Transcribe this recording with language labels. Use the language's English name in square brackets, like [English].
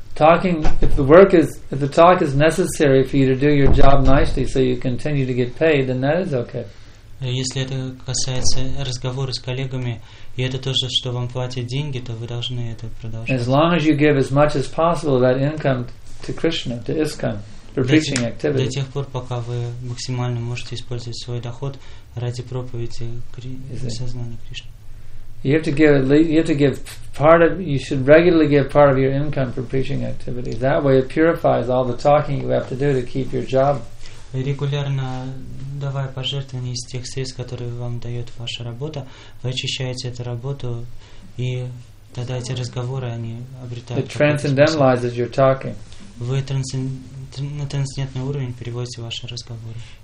[English] Talking, if the talk is necessary for you to do your job nicely so you continue to get paid, then that is okay. [Russian] Если это касается разговора с коллегами, и это то, что вам платят деньги, то вы должны это продолжать. [English] As long as you give as much as possible of that income to Krishna, to ISKCON, for preaching activity. [Russian] До тех пор, пока вы максимально можете использовать свой доход ради проповеди сознания Кришны. [English] You should regularly give part of your income for preaching activity. That way, it purifies all the talking you have to do to keep your job. [Russian] Регулярно давая пожертвования из тех средств, которые вам дает ваша работа, вы очищаете эту работу, и тогда эти разговоры они обретают. [English] It transcendentalizes your talking. [Russian] Вы на трансцендентный уровень переводите ваши разговоры.